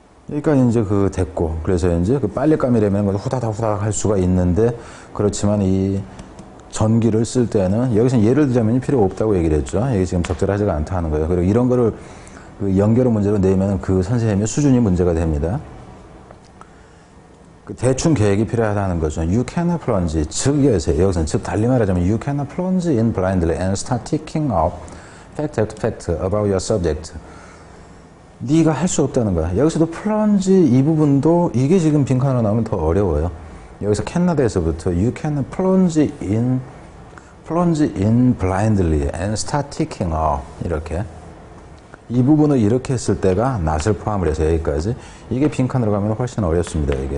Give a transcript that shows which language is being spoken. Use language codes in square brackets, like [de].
[ko] 여기까지 이제 그 됐고 그래서 이제 그 빨래감이라면 후다닥 후다닥 할 수가 있는데 그렇지만 이 전기를 쓸 때는 여기서 예를 들자면 필요 없다고 얘기를 했죠. 이게 지금 적절하지가 않다 하는 거예요. 그리고 이런 거를 그 연결 문제로 내면 그 선생님의 수준이 문제가 됩니다. 그 대충 계획이 필요하다는 거죠. [en] You cannot plunge, [ko] 즉 여기서 여기서는 즉 달리 말하자면 [en] You cannot plunge in blindly and start ticking off fact after fact about your subject. [ko] 네가 할 수 없다는 거야. 여기서도 plunge 이 부분도 이게 지금 빈칸으로 나오면 더 어려워요. 여기서 cannot에서부터 [en] You cannot plunge in blindly and start ticking off [ko] 이렇게 이 부분을 이렇게 했을 때가 not을 포함을 해서 여기까지 이게 빈칸으로 가면 훨씬 어렵습니다.